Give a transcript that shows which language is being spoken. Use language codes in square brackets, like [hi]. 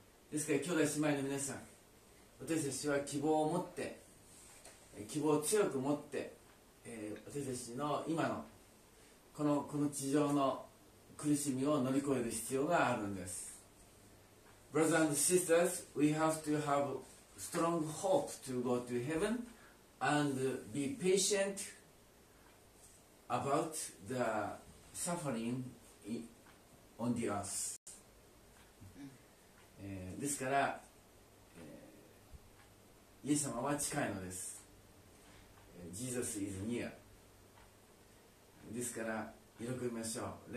[ja] ですから兄弟姉妹の皆さん、私たちは希望を持って、希望を強く持って、私たちの今のこの地上の苦しみを乗り越える必要があるんです。 [en] Brothers and sisters, we have to have strong hope to go to heaven and be patient about the suffering on the earth. [ja] ですから、イエス様は近いのです。 [en] Jesus is near. [ja] ですから、喜びましょう。